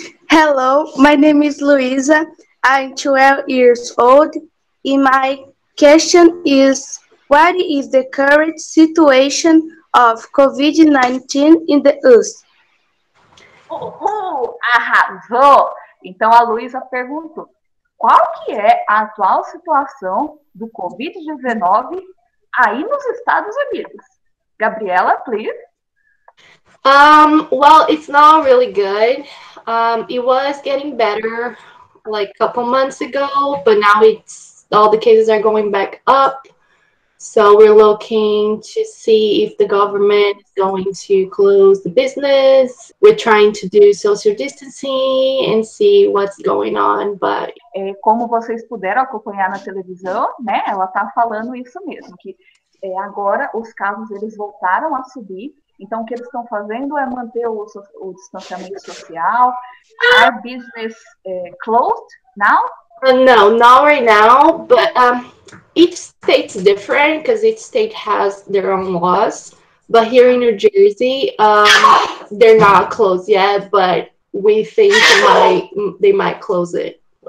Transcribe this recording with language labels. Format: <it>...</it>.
<en>Hello, my name is Luisa. I'm 12 years old. And my question is, what is the current situation of COVID-19 in the US?</en> <pt>Uhul, arrasou! Então, a Luísa perguntou, qual que é a atual situação do COVID-19 aí nos Estados Unidos?</pt> <en>Gabriela, please. Well, it's not really good. It was getting better like a couple months ago, but now all the cases are going back up. So we're looking to see if the government is going to close the business. We're trying to do social distancing and see what's going on, but...</en> <pt>É, como vocês puderam acompanhar na televisão, né? Ela tá falando isso mesmo, que é, agora os casos, eles voltaram a subir. Então, o que eles estão fazendo é manter o distanciamento social.</pt> <en>Our business closed now? No, not right now, but each state is different because each state has their own laws. But here in New Jersey, they're not closed yet, but we think they might close it.</en>